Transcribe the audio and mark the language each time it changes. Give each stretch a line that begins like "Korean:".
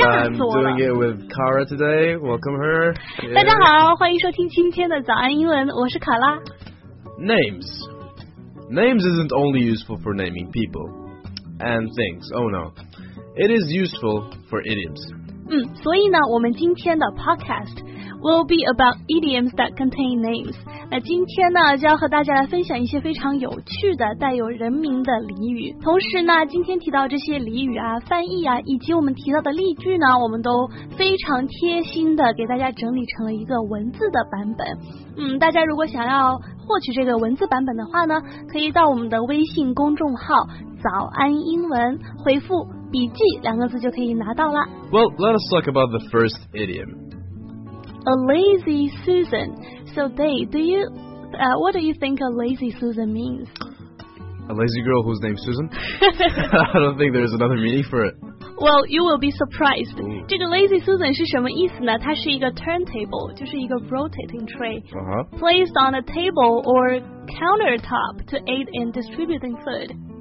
English: I'm doing it with Kara today. Welcome her.
Chinese: 大家好，欢迎收听今天的早安英文，我是卡拉。
English: Names. Names isn't only useful for naming people and things. Oh no. It is useful for idioms.
Chinese: 所以呢，我们今天的
English: podcast will be about idioms that contain names.
Chinese: 那今天呢，就要和大家来分享一些非常有趣的带有人名的俚语。同时呢，今天提到这些俚语啊、翻译啊，以及我们提到的例句呢，我们都非常贴心的给大家整理成了一个文字的版本。大家如果想要获取这个文字版本的话呢，可以到我们的微信公众号“早安英文”回复“笔记”两个字就可以拿到了。
English: Well, let us talk about the first idiom. A lazy Susan. So, Dave, what do you think a lazy Susan means? A lazy girl whose name's Susan? I don't think there's another meaning for it. Well, you will be surprised.
Chinese: 这个 lazy Susan 是什么意思呢？它是一个 turntable, 就是一个 rotating tray.
English: Placed on a table or countertop to aid in distributing food.